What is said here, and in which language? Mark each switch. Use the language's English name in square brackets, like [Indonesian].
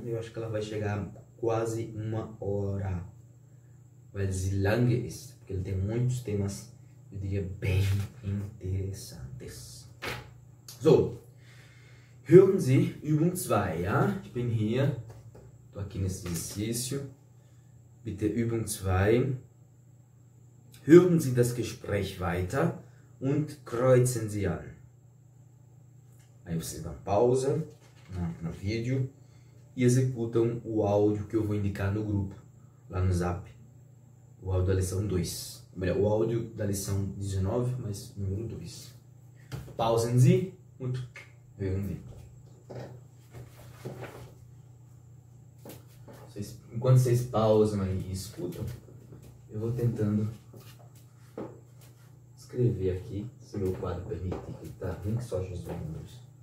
[Portuguese] Eu acho que ela vai chegar quase uma hora. [German] Weil sie lang ist. [Portuguese] Porque ele tem muitos temas, eu diria, bem interessantes. So. [German] Hören Sie Übung 2, ja? Ich bin hier. [Portuguese] Tô aqui nesse exercício. [German] Bitte Übung 2. Hören Sie das Gespräch weiter und kreuzen Sie an. [Portuguese] Aí vocês dão pausa no vídeo e executam o áudio que eu vou indicar no grupo, lá no Zap. O áudio da lição 2. Melhor, o áudio da lição 19, mas número 2. [German] Pausen Sie und hören Sie. [Portuguese] Enquanto vocês pausam aí e escutam, eu vou tentando escrever aqui, se meu quadro permite, que tá bem que só os números.